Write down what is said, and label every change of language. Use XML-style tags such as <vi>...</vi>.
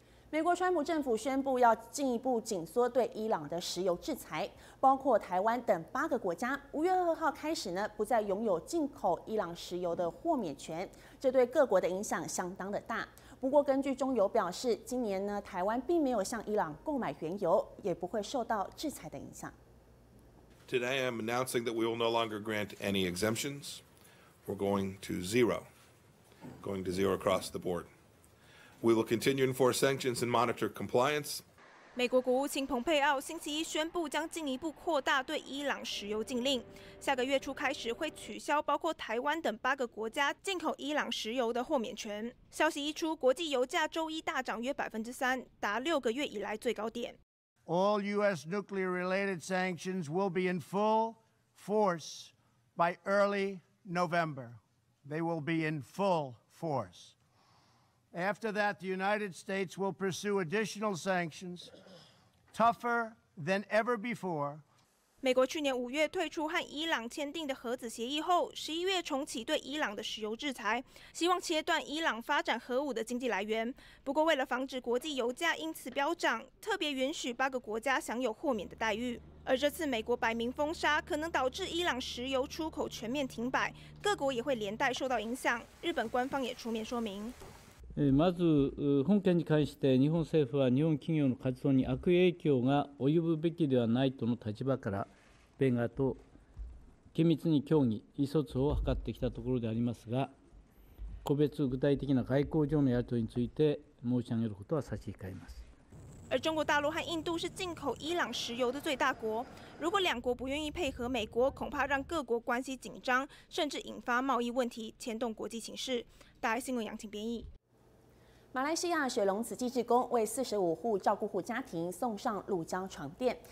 <zh>美国川普政府宣布要进一步紧缩对伊朗的石油制裁，包括台湾等8个国家5月2号开始呢，不再拥有进口伊朗石油的豁免权，这对各国的影响相当的大。不过根据中油表示，今年呢，台湾并没有向伊朗购买原油，也不会受到制裁的影响。</zh> <en>Today I'm announcing that we will no longer grant any exemptions. We're going to zero. Going to zero across the board. We will continue to enforce sanctions and monitor compliance.</en> <zh>美国国务卿蓬佩奥星期一宣布将进一步扩大对伊朗石油禁令，下个月初开始会取消包括台湾等8个国家进口伊朗石油的豁免权。消息一出，国际油价周一大涨约3%，达6个月以来最高点。</zh> <en>All U.S. nuclear-related sanctions will be in full force by early November. They will be in full force. After that, the United States will pursue additional sanctions, tougher than ever before.</en> <zh>美国去年5月退出和伊朗签订的核子协议后，11月重启对伊朗的石油制裁，希望切断伊朗发展核武的经济来源。不过，为了防止国际油价因此飙涨，特别允许8个国家享有豁免的待遇。而这次美国摆明封杀，可能导致伊朗石油出口全面停摆，各国也会连带受到影响。日本官方也出面说明。</zh> <ja>まず本件に関して日本政府は日本企業の活動に悪影響が及ぶべきではないとの立場から米側と緊密に協議意思疎通を図ってきたところでありますが個別具体的な外交上のやり取りについて申し上げることは差し控えます。</ja> <zh>而中国大陆和印度是进口伊朗石油的最大国，如果两国不愿意配合美国，恐怕让各国关系紧张，甚至引发贸易问题，牵动国际形势。大爱新闻杨晴编译。马来西亚雪隆慈济志工为45户照顾户家庭送上乳胶床垫。</zh>